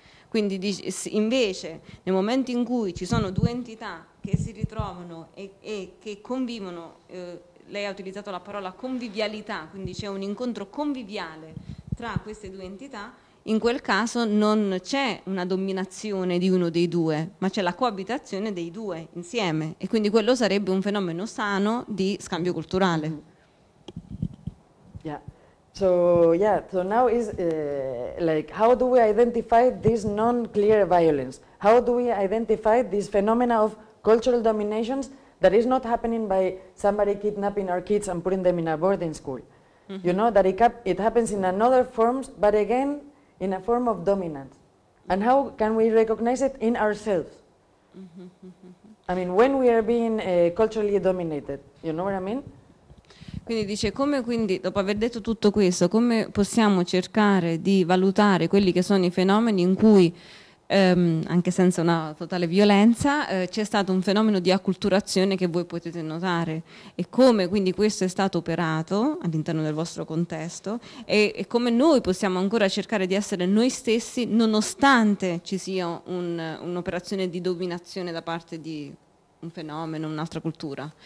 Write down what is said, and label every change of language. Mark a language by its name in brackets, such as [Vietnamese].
[Italian] Quindi dice, invece nel momento in cui ci sono due entità che si ritrovano e che convivono, lei ha utilizzato la parola convivialità, quindi c'è un incontro conviviale tra queste due entità, in quel caso non c'è una dominazione di uno dei due, ma c'è la coabitazione dei due insieme, e quindi quello sarebbe un fenomeno sano di scambio culturale. [English] So now is like how do we identify this non-clear violence? How do we identify this phenomena of cultural dominations that is not happening by somebody kidnapping our kids and putting them in a boarding school? Mm-hmm. You know, that it happens in another forms, but again, in a form of dominance. And how can we recognize it in ourselves? Mm-hmm. I mean, when we are being culturally dominated, you know what I mean? [Italian] Quindi dice, come quindi, dopo aver detto tutto questo, come possiamo cercare di valutare quelli che sono i fenomeni in cui anche senza una totale violenza, c'è stato un fenomeno di acculturazione che voi potete notare, e come quindi questo è stato operato all'interno del vostro contesto, e come noi possiamo ancora cercare di essere noi stessi nonostante ci sia un'operazione di dominazione da parte di un fenomeno, un'altra cultura.